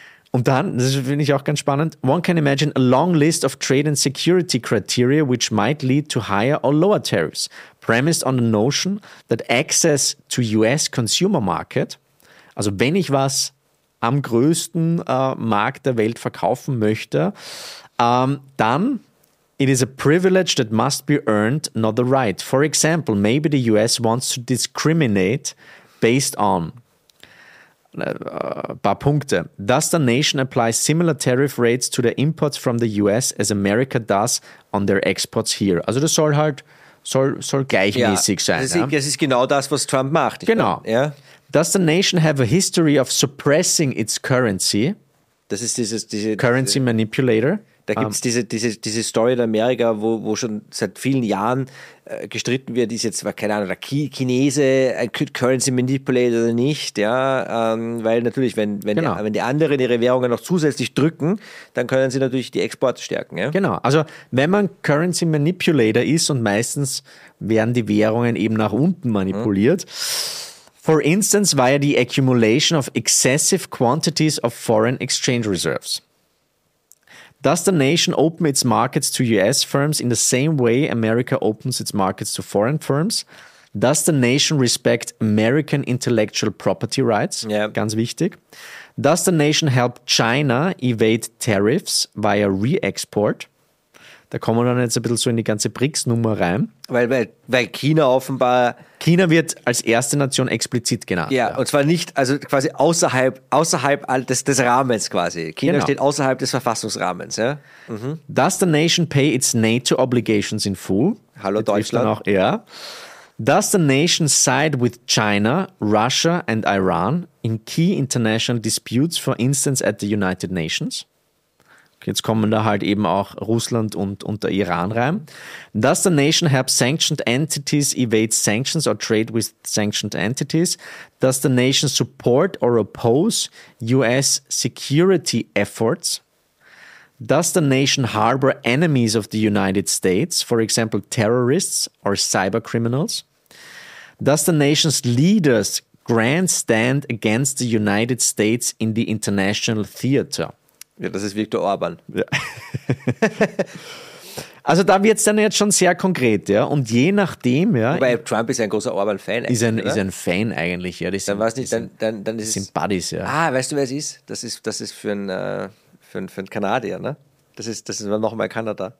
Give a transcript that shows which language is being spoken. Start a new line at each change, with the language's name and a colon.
German: Und dann, das finde ich auch ganz spannend,
English: one can imagine a long list of trade and security criteria which might lead to higher or lower tariffs, premised on the notion that access to US consumer market,
German: also wenn ich was am größten Markt der Welt verkaufen möchte, dann
English: it is a privilege that must be earned, not a right. For example, maybe the US wants to discriminate based on
German: paar Punkte.
English: Does the nation apply similar tariff rates to the imports from the US as America does on their exports here?
German: Also das soll halt, soll gleichmäßig sein. Das ist genau das, was Trump macht. Genau.
English: Does the nation have a history of suppressing its currency?
German: Das ist diese
English: Currency
German: diese,
English: Manipulator.
German: Da gibt es diese Story in Amerika, wo schon seit vielen Jahren gestritten wird, ist jetzt, keine Ahnung, der Chinese ein Currency Manipulator oder nicht. Ja, weil natürlich, wenn die anderen ihre Währungen noch zusätzlich drücken, dann können sie natürlich die Exporte stärken. Ja? Genau, also wenn man Currency Manipulator ist und meistens werden die Währungen eben nach unten manipuliert,
English: for instance, via the accumulation of excessive quantities of foreign exchange reserves. Does the nation open its markets to US firms in the same way America opens its markets to foreign firms? Does the nation respect American intellectual property rights? Yeah.
German: Ganz wichtig.
English: Does the nation help China evade tariffs via re-export?
German: Da kommen wir dann jetzt ein bisschen so in die ganze BRICS-Nummer rein. Weil China offenbar... China wird als erste Nation explizit genannt. Ja, und zwar nicht, also quasi außerhalb des Rahmens quasi. China steht außerhalb des Verfassungsrahmens. Ja? Mhm.
English: Does the nation pay its NATO obligations in full?
German: Hallo Deutschland. Auch, ja.
English: Does the nation side with China, Russia and Iran in key international disputes, for instance at the United Nations?
German: Jetzt kommen da halt eben auch Russland und der Iran rein.
English: Does the nation help sanctioned entities evade sanctions or trade with sanctioned entities? Does the nation support or oppose US security efforts? Does the nation harbor enemies of the United States, for example terrorists or cyber criminals? Does the nation's leaders grandstand against the United States in the international theater?
German: Ja, das ist Viktor Orban. Ja. Also da wird es dann jetzt schon sehr konkret, ja. Und je nachdem, ja. Wobei Trump ist ein großer Orban-Fan. Ist ein Fan eigentlich, ja. Sind Buddies, ja. Ah, weißt du, wer es ist? Das ist für einen Kanadier, ne? Das ist nochmal Kanada.